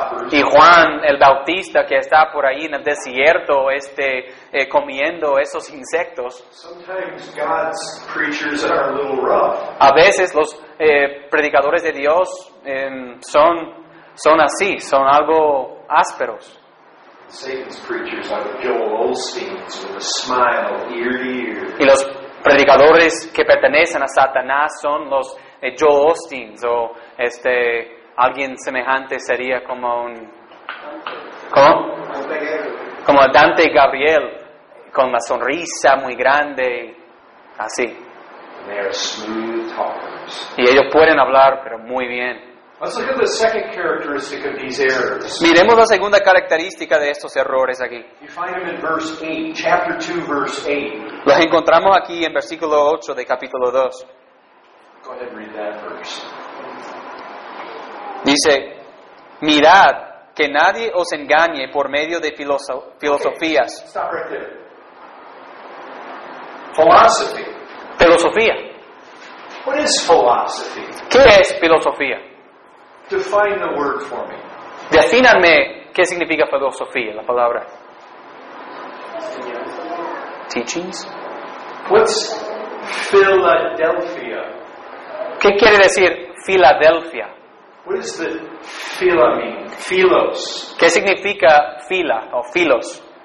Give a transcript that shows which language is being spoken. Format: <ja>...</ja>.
<es>Y Juan el Bautista que está por ahí en el desierto comiendo esos insectos.</es> <en>Sometimes God's preachers are a little rough.</en> <es>A veces los predicadores de Dios son así, son algo ásperos.</es> <en>Satan's preachers are Joel Osteen's with a smile ear to ear.</en> <es>Y los predicadores que pertenecen a Satanás son los Joel Osteen's o alguien semejante sería como un... ¿Cómo? Como Dante Gabriel, con la sonrisa muy grande, así.</es> <en>And they are smooth talkers.</en> <es>Y ellos pueden hablar, pero muy bien.</es> <en>Let's look at the second characteristic of these errors.</en> <es>Miremos la segunda característica de estos errores aquí.</es> <en>You find them in verse 8, chapter 2, verse 8.</en> <es>Los encontramos aquí en versículo 8 de capítulo 2.</es> <en>Go ahead and read that verse.</en> <es>Dice, mirad que nadie os engañe por medio de filosofías.</es> <en>Okay, stop right there. Philosophy.</en> <es>Filosofía.</es> <en>What is philosophy?</en> <es>¿Qué es filosofía?</es> <en>Define the word for me.</en> <es>Defíname qué significa filosofía, la palabra.</es> <en>Teachings. What's Philadelphia?</en> <es>¿Qué quiere decir Filadelfia?</es> <en>What does the phila mean? Philos.</en> <es>¿Qué significa phila o philos?</es>